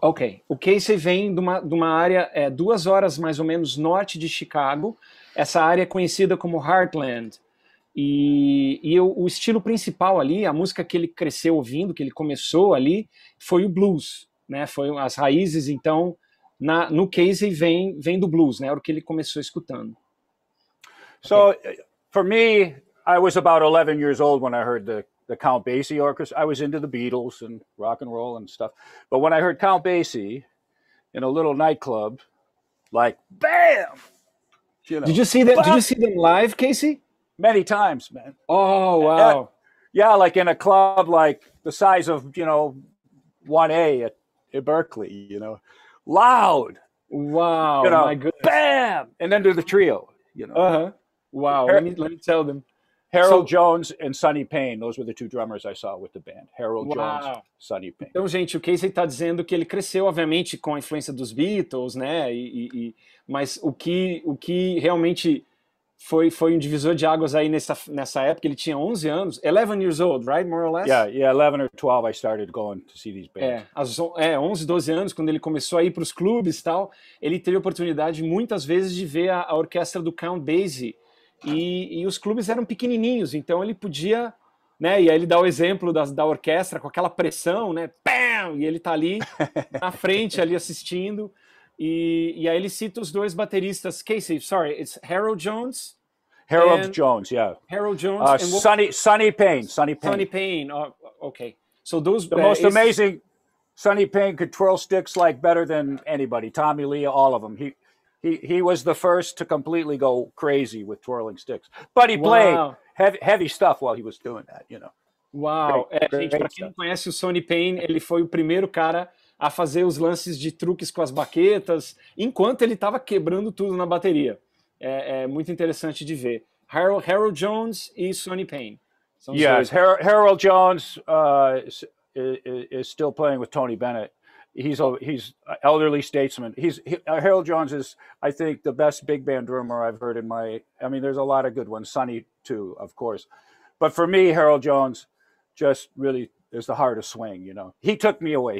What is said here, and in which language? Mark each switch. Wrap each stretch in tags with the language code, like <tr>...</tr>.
<pt>Ok, o Casey vem de uma área, duas horas mais ou menos norte de Chicago, essa área é conhecida como Heartland, e o estilo principal ali, a música que ele cresceu ouvindo, que ele começou ali, foi o blues, né, foi as raízes, então, no Casey vem do blues, né, era o que ele começou escutando.</pt> <en>So, for me, I was about 11 years old when I heard the Count Basie Orchestra. I was into the Beatles and rock and roll and stuff. But when I heard Count Basie in a little nightclub, like, bam! You know, did you see them? Did you see them live, Casey? Many times, man. Oh, wow. Yeah, like in a club like the size of, you know, 1A at Berkeley, you know. Loud! Wow, you know, my goodness. Bam! And then there's the trio. You know. Uh-huh. Wow. Let me tell them. Harold Jones and Sonny Payne, those were the two drummers I saw with the band. Harold Jones, Sonny Payne.</en> <pt>Então, gente, o Casey está dizendo que ele cresceu, obviamente, com a influência dos Beatles, né? Mas o que realmente foi um divisor de águas aí nessa época, ele tinha 11 anos.</pt> <en>11 years old, right, more or less? Yeah, 11 or 12 I started going to see these bands.</en> <pt>É, 11, 12 anos, quando ele começou a ir para os clubes e tal, ele teve a oportunidade muitas vezes de ver a orquestra do Count Basie. E os clubes eram pequenininhos, então ele podia, né, e aí ele dá o exemplo da orquestra com aquela pressão, né, pam, e ele tá ali na frente, ali assistindo, e aí ele cita os dois bateristas,</pt> <en>Casey, sorry, it's Harold Jones. Harold Jones, yeah. Harold Jones. Sonny Payne, okay. So those, the most amazing, Sonny Payne could twirl sticks like better than anybody, Tommy Lee, all of them, He was the first to completely go crazy with twirling sticks. But he played heavy stuff while he was doing that, you know. Wow.</en> <pt>Gente, pra quem não conhece o Sonny Payne, ele foi o primeiro cara a fazer os lances de truques com as baquetas, enquanto ele tava quebrando tudo na bateria. É muito interessante de ver. Harold Jones e Sonny Payne.</pt> <en>Yes, Harold Jones is still playing with Tony Bennett. He's an elderly statesman. Harold Jones is, I think, the best big band drummer I've heard in my... I mean, there's a lot of good ones. Sonny, too, of course. But for me, Harold Jones just really is the heart of swing, you know. He took me away.</en>